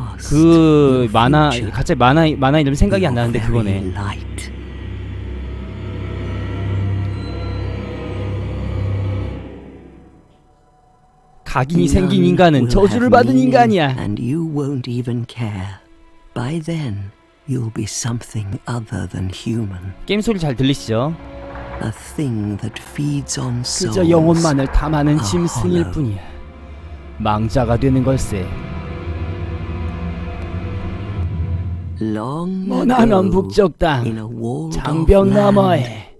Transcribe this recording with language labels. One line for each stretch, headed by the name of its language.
Korean: 그 만화, 갑자기 만화 이름 생각이 안 나는데 그거네. 각인이 생긴 인간은 저주를 받은 인간이야.
English: And you won't even care. By then, you'll be something other than human.
Korean: 게임 소리 잘 들리시죠?
English: A thing that feeds on souls.
Korean: 그저 영혼만을 탐하는 짐승일 뿐이야. 망자가 되는 걸세.
English: Long ago,
Korean: 머나먼 북쪽 땅, 장벽 너머에.